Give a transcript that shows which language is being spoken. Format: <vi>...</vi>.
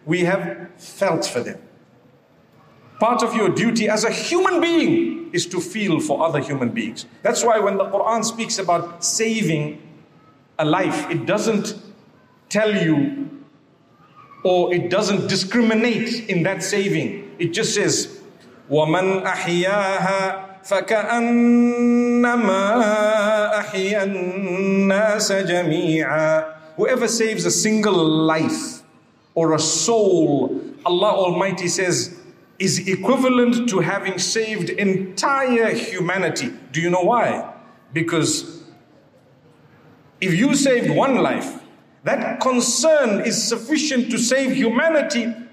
<en>We have felt for them. Part of your duty as a human being is to feel for other human beings. That's why when the Quran speaks about saving a life, it doesn't tell you or it doesn't discriminate in that saving. It just says,</en> <ar>وَمَنْ أَحْيَاهَا فَكَأَنَّمَا أَحْيَا النَّاسَ جَمِيعًا.</ar> <en>Whoever saves a single life or a soul, Allah Almighty says, is equivalent to having saved entire humanity. Do you know why? Because if you saved one life, that concern is sufficient to save humanity.</en>